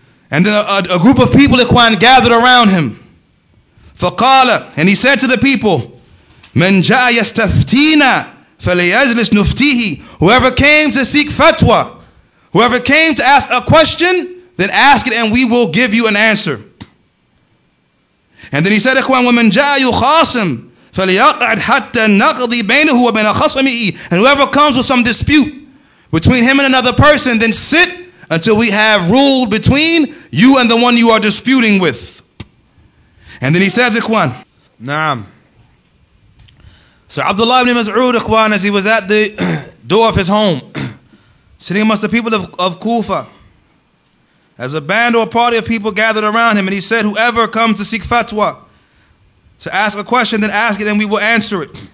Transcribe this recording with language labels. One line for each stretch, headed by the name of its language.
English: And then a group of people, ikhwan, gathered around him.
Arabic: Faqala,
English: and he said to the people,
Arabic: Man ja'a yastaftina. فَلَيَجْلِسْ نُفْتِهِ.
English: Whoever came to seek fatwa, whoever came to ask a question, then ask it and we will give you an answer. And then he said,
Arabic: إِخْوَانَ وَمَنْ جَاءَ يُخَاصِمْ فَلْيَقْعَدْ حَتَّى نَقْضِي بَيْنَهُ وَبَيْنَ خَصْمِهِ.
English: And whoever comes with some dispute between him and another person, then sit until we have ruled between you and the one you are disputing with. And then he said,
Arabic: إِخْوَانَ نَعَمْ.
English: So Abdullah ibn Mas'ud, ikhwan, as he was at the door of his home, sitting amongst the people of Kufa, as a band or a party of people gathered around him, and he said, whoever comes to seek fatwa, to ask a question, then ask it and we will answer it.